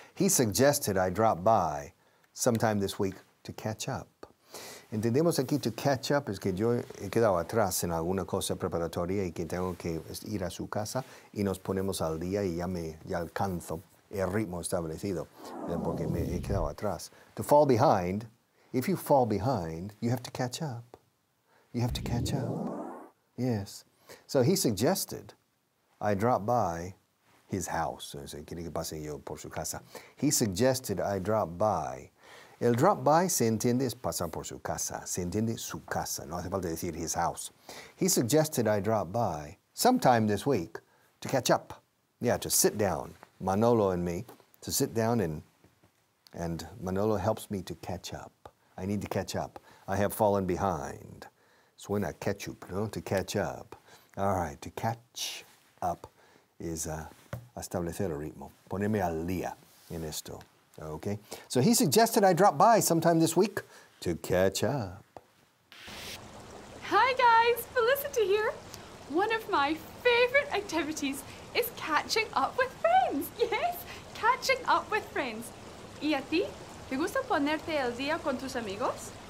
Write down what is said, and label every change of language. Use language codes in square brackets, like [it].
[en] He suggested I drop by sometime this week to catch up. [es] Entendemos aquí to catch up es que yo he quedado atrás en alguna cosa preparatoria y que tengo que ir a su casa y nos ponemos al día y ya alcanzo el ritmo establecido porque me he quedado atrás. [en] To fall behind, if you fall behind, you have to catch up. You have to catch up. Yes. So he suggested I drop by his house. [es] Quiere que pase yo por su casa. [en] He suggested I drop by. [es] El drop by se entiende es pasar por su casa. Se entiende su casa. No hace falta decir [en] his house. He suggested I drop by sometime this week to catch up. Yeah, to sit down. Manolo and me, to sit down and Manolo helps me to catch up. I need to catch up. I have fallen behind. [es] Suena ketchup, no? [en] To catch up. All right, to catch up is [es] establecer el ritmo. Ponerme al día en esto. [en] Okay, so he suggested I drop by sometime this week to catch up. Hi guys, Felicity here. One of my favorite activities is catching up with friends. Yes, catching up with friends. [es] ¿Y a ti? ¿Te gusta ponerte al día con tus amigos?